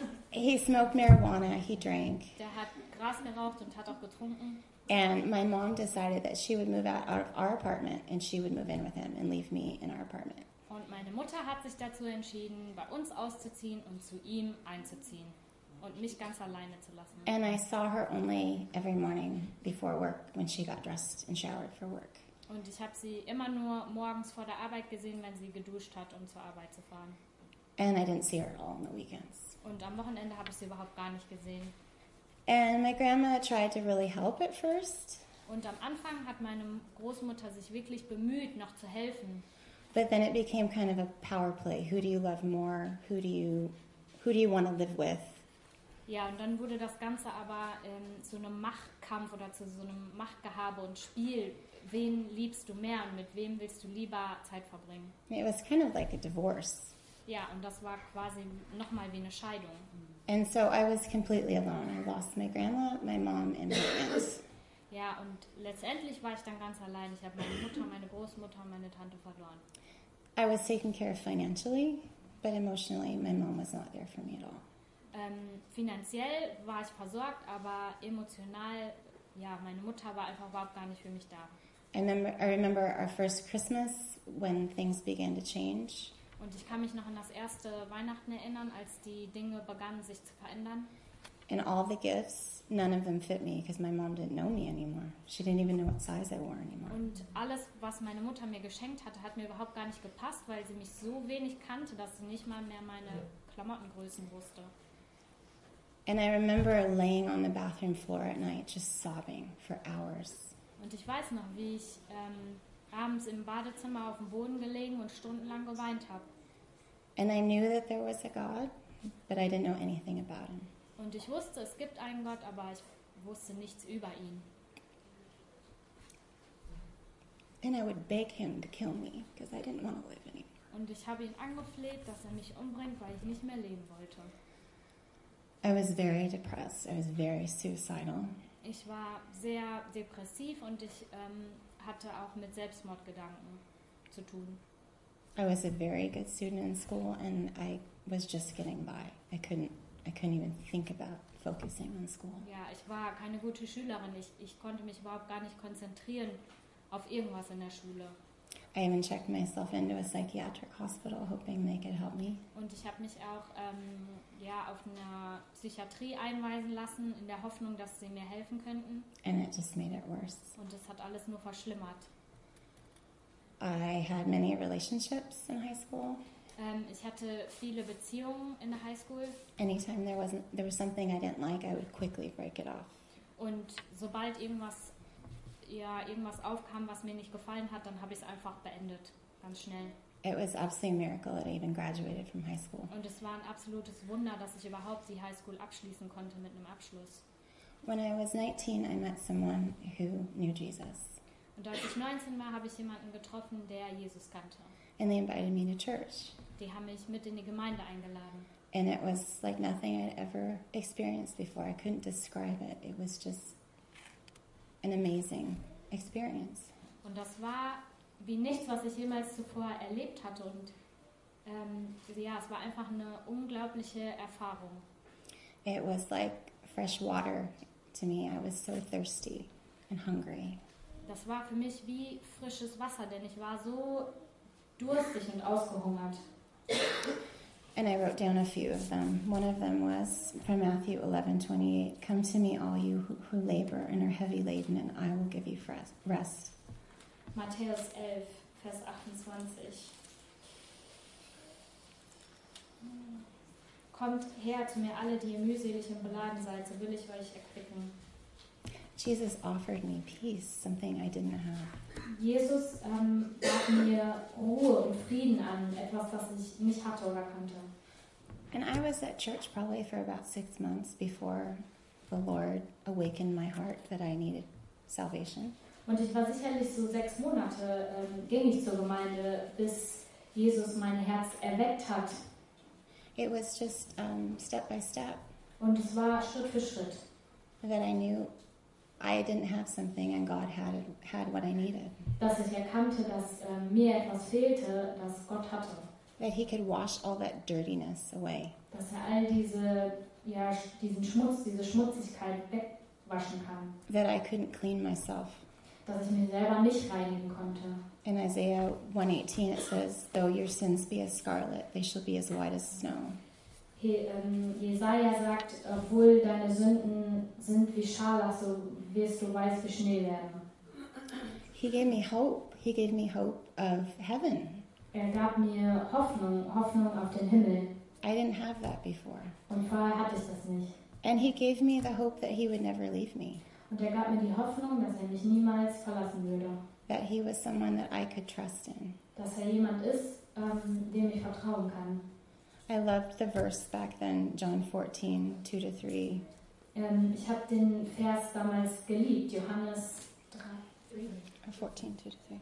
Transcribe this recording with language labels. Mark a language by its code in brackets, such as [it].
[en] He smoked marijuana, he drank. [de] Der hat Gras geraucht und hat auch getrunken. [en] And my mom decided that she would move out of our apartment and she would move in with him and leave me in our apartment. [de] Und meine Mutter hat sich dazu entschieden, bei uns auszuziehen und zu ihm einzuziehen und mich ganz alleine zu lassen. [en] And I saw her only every morning before work when she got dressed and showered for work. [de] Und ich habe sie immer nur morgens vor der Arbeit gesehen, wenn sie geduscht hat, um zur Arbeit zu fahren. [en] And I didn't see her at all on the weekends. [de] Und am Wochenende habe ich sie überhaupt gar nicht gesehen. [en] And my grandma tried to really help at first. [de] Und am Anfang hat meine Großmutter sich wirklich bemüht, noch zu helfen. [en] But then it became kind of a power play. Who do you love more? Who do you want to live with? [de] Ja, und dann wurde das Ganze aber zu einem Machtkampf oder zu so einem Machtgehabe und Spiel. Wen liebst du mehr und mit wem willst du lieber Zeit verbringen? [en] It was kind of like a divorce. [de] Ja, und das war quasi nochmal wie eine Scheidung. [en] And so I was completely alone. I lost my grandma, my mom, and my aunts. [de] Ja, und letztendlich war ich dann ganz allein. Ich habe meine Mutter, meine Großmutter und meine Tante verloren. [en] I was taken care of financially, but emotionally my mom was not there for me at all. [de] Finanziell war ich versorgt, aber emotional, ja, meine Mutter war einfach überhaupt gar nicht für mich da. [en] I remember our first Christmas when things began to change. [de] Und ich kann mich noch an das erste Weihnachten erinnern, als die Dinge begannen sich zu verändern. [en] And all the gifts, none of them fit me because my mom didn't know me anymore. She didn't even know what size I wore anymore. [de] Und alles, was meine Mutter mir geschenkt hatte, hat mir überhaupt gar nicht gepasst, weil sie mich so wenig kannte, dass sie nicht mal mehr meine Klamottengrößen wusste. [en] And I remember laying on the bathroom floor at night just sobbing for hours. [de] Und ich weiß noch, wie ich abends im Badezimmer auf dem Boden gelegen und stundenlang geweint habe. [en] And I knew that there was a God, but I didn't know anything about him. [de] Und ich wusste, es gibt einen Gott, aber ich wusste nichts über ihn. [en] And I would beg him to kill me, because I didn't want to live anymore. [de] Und ich habe ihn angefleht, dass er mich umbringt, weil ich nicht mehr leben wollte. [en] I was very depressed. I was very suicidal. [de] Ich war sehr depressiv und ich hatte auch mit Selbstmordgedanken zu tun. [en] I was a very good student in school and I was just getting by. I couldn't even think about focusing on school. [de] Ja, ich war keine gute Schülerin. Ich konnte mich überhaupt gar nicht konzentrieren auf irgendwas in der Schule. [en] I even checked myself into a psychiatric hospital, hoping they could help me. [de] Und ich habe mich auch auf eine Psychiatrie einweisen lassen, in der Hoffnung, dass sie mir helfen könnten. [en] And it just made it worse. [de] Und es hat alles nur verschlimmert. [en] I had many relationships in high school. [de] Ich hatte viele Beziehungen in der High School. [en] Anytime there was something I didn't like, I would quickly break it off. [de] Und sobald irgendwas aufkam, was mir nicht gefallen hat, dann habe ich es einfach beendet, ganz schnell. [en] It was absolutely a miracle that I even graduated from high school. [de] Und es war ein absolutes Wunder, dass ich überhaupt die High School abschließen konnte mit einem Abschluss. [en] When I was 19, I met someone who knew Jesus. [de] Und als ich 19 war, habe ich jemanden getroffen, der Jesus kannte. [en] And they invited me to church. [de] Die haben mich mit in die Gemeinde eingeladen. [en] And it was like nothing I'd ever experienced before. I couldn't describe it. It was just an amazing experience. [de] Und das war wie nichts, was ich jemals zuvor erlebt hatte. Und es war einfach eine unglaubliche Erfahrung. [en] It was like fresh water to me. I was so thirsty and hungry. [de] Das war für mich wie frisches Wasser, denn ich war so durstig und ausgehungert. [en] And I wrote down a few of them. One of them was from Matthew 11:28. Come to me, all you who labor and are heavy laden, and I will give you rest. [de] Matthäus 11, Vers 28. Kommt her zu mir, alle, die ihr mühselig und beladen seid, so will ich euch erquicken. [en] Jesus offered me peace, something I didn't have. [de] Jesus gab mir Ruhe und Frieden an, etwas, was ich nicht hatte oder kannte. [en] And I was at church probably for about 6 months before the Lord awakened my heart that I needed salvation. [de] Und ich war sicherlich so 6 Monate ging ich zur Gemeinde, bis Jesus mein Herz erweckt hat. [en] It was just step by step. [de] Und es war Schritt für Schritt. [en] That I knew I didn't have something and God had what I needed. [de] Dass ich erkannte, dass mir etwas fehlte, das Gott hatte. [en] That he could wash all that dirtiness away. [de] Dass er all diesen Schmutz, diese Schmutzigkeit wegwaschen kann. [en] That I couldn't clean myself. [de] Dass ich mich selber nicht reinigen konnte. [en] In Isaiah 1:18 it says, though your sins be as scarlet, they shall be as white as snow. [de] Jesaja sagt, obwohl deine Sünden sind wie Scharlach, so wirst du weiß wie Schnee werden. [en] He gave me hope. He gave me hope of heaven. [de] Er gab mir Hoffnung, Hoffnung auf den Himmel. [en] I didn't have that before. [de] Und vorher hatte ich das nicht. [en] And he gave me the hope that he would never leave me. [de] Und er gab mir die Hoffnung, dass er mich niemals verlassen würde. [en] That he was someone that I could trust in. [de] Dass er jemand ist, dem ich vertrauen kann. [en] I loved the verse back then, John 14, 2-3. [de] Ich habe den Vers damals geliebt, Johannes 14, 2-3.